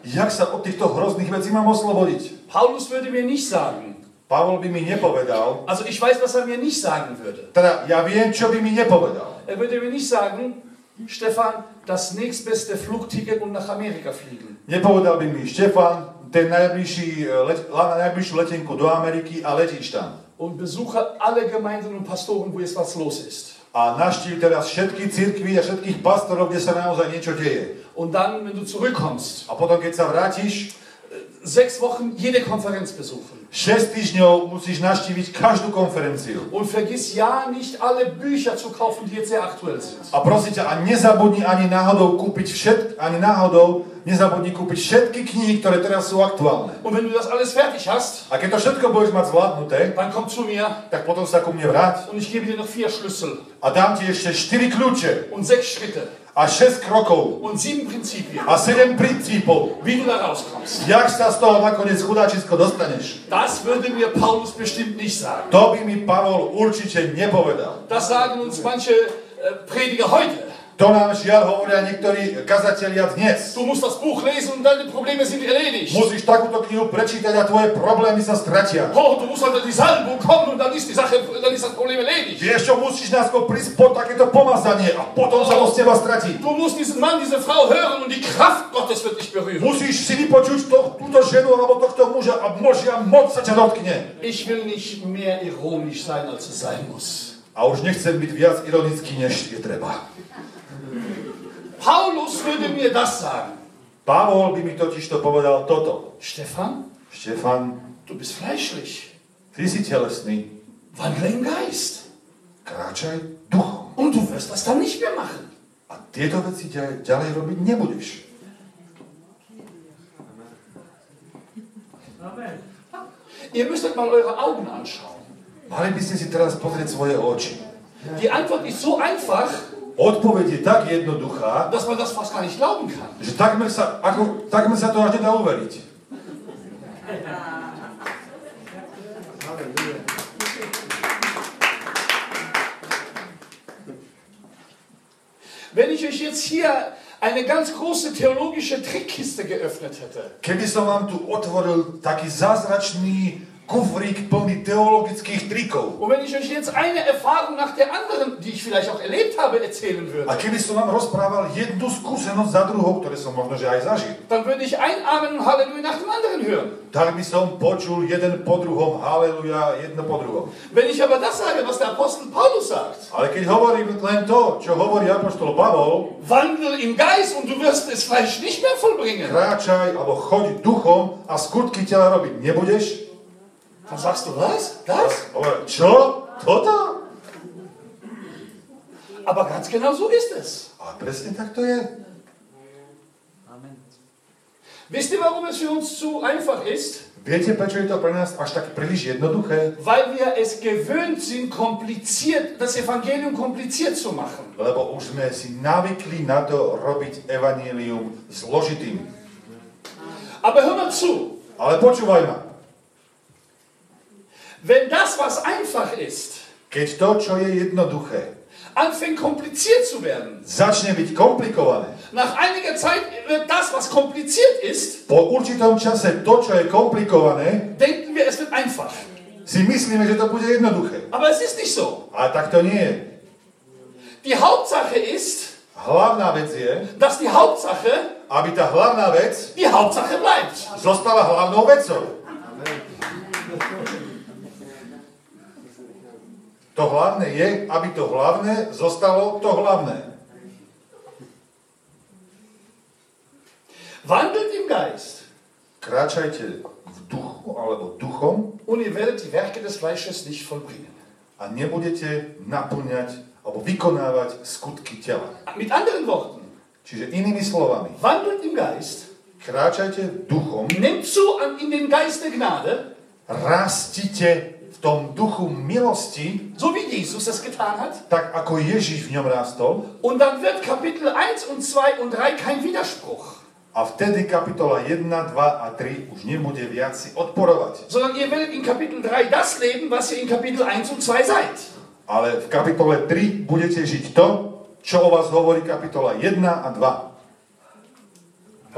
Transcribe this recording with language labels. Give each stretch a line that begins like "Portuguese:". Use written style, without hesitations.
Slovak: Jak sa od týchto hrozných vecí mám oslobodiť?
German: Paulus würde mir nicht sagen.
Slovak: Pavol by mi nepovedal.
German: Also ich weiß, was er mir nicht sagen würde.
Slovak: Teda ja viem, čo by mi nepovedal.
German: Er würde mir nicht sagen, Stefan, das nächstbeste Flugticket und nach Amerika fliegen.
Slovak: Nepovedal by mi, Stefan, ten najbližší najbližšiu letenku do Ameriky a letíš tam.
German: Und besuche alle Gemeinden und Pastoren, wo es was los ist.
Slovak: A navštív teraz všetky cirkvi a všetkých pastorov, kde sa naozaj niečo deje.
German: Und dann, wenn du zurückkommst.
Slovak: A potom, keď sa vrátiš,
German: 6 Wochen jede Konferenz besuchen.
Slovak: 6 týždňov musíš navštíviť každú konferenciu.
German: Und vergiss ja nicht alle Bücher zu kaufen, die jetzt sehr aktuell sind.
Slovak: A prosím ťa, nezabudni ani náhodou kúpiť všetky knihy, ktoré teraz sú aktuálne.
German: Und wenn du das alles fertig hast,
Slovak: a keď to všetko budeš mať zvládnuté,
German: dann komm zu mir,
Slovak: tak potom sa ku mne vráť.
German: Und ich gebe dir noch 4 Schlüssel.
Slovak: A dám ti ešte 4 kľúče.
German: Und 6 Schritte.
Slovak: A 6 krokov.
German: Und 7 Prinzipien.
Slovak: A 7 princípov.
German: Wie du da rauskommst.
Slovak: Jak sa z toho nakoniec chudáčisko dostaneš.
German: Das würde mir Paulus bestimmt nicht sagen.
Slovak: To by mi Pavol určite nepovedal.
German: Das sagen uns manche Prediger heute.
Slovak: To nám žiaľ hovoria niektorí kazatelia dnes.
German: Du musst das Buch lesen und deine Probleme sind erledigt.
Slovak: Musíš takúto knihu prečítať a tvoje problémy sa stratia.
German: Oh, du musst unter die Salbung kommen und dann ist die Sache, dann ist das Problem erledigt.
Slovak: Vieš čo, musíš nasko prísť po takéto pomazanie a potom sa to z teba stratí.
German: Du musst diesen Mann, diese Frau hören und die Kraft Gottes wird dich berühren.
Slovak: Musíš si vypočuť túto ženu alebo tohto muža a Božia moc sa ťa dotkne.
German: Ich will nicht mehr ironisch sein, als es sein muss.
Slovak: A už nechcem byť viac ironický, než je treba.
German: Paulus würde mir das sagen.
Slovak: Pavol by mi totiž to povedal toto.
German: Stefan, du bist fleischlich.
Slovak: Ty si telesný.
German: Wandle im Geist.
Slovak: Kráčaj duchom.
German: Und du wirst das dann nicht mehr machen.
Slovak: A tieto veci ďalej robiť nebudeš. Amen.
German: Ihr müsst mal eure Augen anschauen.
Slovak: Mali by ste si teraz pozrieť svoje oči.
German: Die Antwort ist so einfach.
Slovak: Odpoveď je tak jednoduchá,
German: dass man das fast gar nicht glauben kann.
Slovak: Že takmer sa to až nedá uveriť.
German: Wenn ich euch jetzt hier eine ganz große theologische Trickkiste geöffnet hätte.
Slovak: Keby som vám tu otvoril taký zázračný kufrík plný teologických trikov.
German: Und wenn ich euch jetzt eine Erfahrung nach der anderen, die ich vielleicht auch erlebt habe, erzählen würde.
Slovak: A keby som vám rozprával jednu skúsenosť za druhou, ktoré som možno že aj zažil.
German: Dann würde ich ein Amen und Halleluja nach dem anderen hören.
Slovak: Tak by som počul jeden po druhom Halleluja, jedno po druhom.
German: Wenn ich aber das sage, was der Apostel Paulus sagt.
Slovak: Ale keď hovorím len to, čo hovorí apoštol Pavol.
German: Wandel im Geist und du wirst es vielleicht nicht mehr vollbringen.
Slovak: Kráčaj alebo choď duchom a skutky tela robiť nebudeš.
German: Dann sagst du, was? Das? Aber,
Slovak: čo? Toto?
German: Aber ganz genau so ist es. Aber
Slovak: presne tak to je.
German: Amen. Wisst ihr, warum es für uns zu einfach ist?
Slovak: Viete, prečo je to pre nás až tak príliš jednoduché?
German: Weil wir es gewöhnt sind, kompliziert, das Evangelium kompliziert zu machen.
Slovak: Lebo už sme si navykli na to robiť evanjelium zložitým.
German: Aber hör mal zu.
Slovak: Ale počúvaj ma.
German: Wenn das, was einfach ist,
Slovak: keď to, čo je jednoduché,
German: anfängt kompliziert zu werden,
Slovak: začne byť komplikované,
German: nach einiger Zeit wird das, was kompliziert ist,
Slovak: po určitom čase to, čo je komplikované,
German: denken wir, es wird einfach.
Slovak: Si myslíme, že to bude jednoduché.
German: Aber es ist nicht so.
Slovak: A tak to nie je.
German: Die Hauptsache ist,
Slovak: hlavná vec je,
German: dass die Hauptsache,
Slovak: aby tá hlavná vec,
German: die Hauptsache bleibt,
Slovak: zostala hlavnou vecou. To hlavné je, aby to hlavné zostalo to hlavné.
German: Wandelt im Geist.
Slovak: Kráčajte v duchu alebo duchom.
German: Und ihr werdet die Werke des Fleisches nicht vollbringen.
Slovak: A nebudete naplňať alebo vykonávať skutky tela.
German: Mit anderen Worten.
Slovak: Čiže inými slovami.
German: Wandelt im Geist.
Slovak: Kráčajte duchom.
German: Nehmt zu an in den Geist der Gnade.
Slovak: Rastite v tom duchu milosti.
German: So wie Jesus es getan hat.
Slovak: Tak ako Ježiš v ňom rástol.
German: Und dann wird Kapitel 1 und 2 und 3 kein Widerspruch.
Slovak: A vtedy kapitola 1, 2 a 3 už nebude viac si odporovať.
German: Sondern ihr werdet in Kapitel 3 das leben, was ihr in Kapitel 1 und 2 seid.
Slovak: Ale v kapitole 3 budete žiť to, čo o vás hovorí kapitola 1 a 2.